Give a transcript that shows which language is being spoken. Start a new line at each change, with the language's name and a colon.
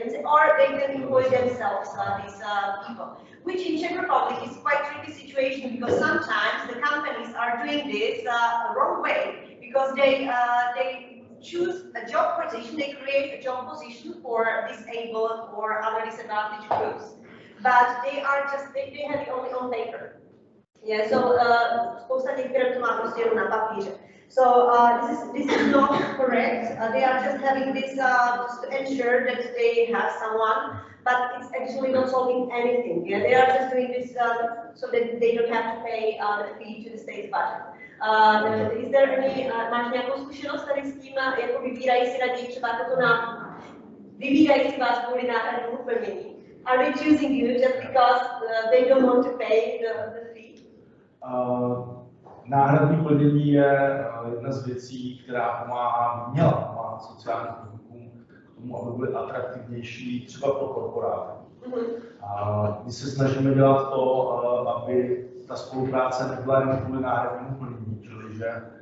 English: Or they can employ themselves, these people. Which in Czech Republic is quite a tricky situation, because sometimes the companies are doing this the wrong way. Because they choose a job position, they create a job position for disabled or other disadvantaged groups, but they have it only on paper.
Czech: Yeah, so spousta firm to má prostě jenom na papíře.
English: So this is not correct. They are just having this just to ensure that they have someone, but it's actually not solving anything. Yeah, they are just doing this so that they don't have to pay the fee to the state's budget. Is there any
Czech: máš nějakou zkušenost tady s tím, jako vybírají si raději třeba toto na vybírají si vás kvůli náhradnímu plnění?
English: Are they choosing you just because they don't want to pay the fee?
Czech: Náhradní plnění je jedna z věcí, která měla sociální podnikům k tomu, aby byly atraktivnější třeba pro korporáty. My se snažíme dělat to, aby ta spolupráce nebyla jen kvůli náhradnímu plnění, čili že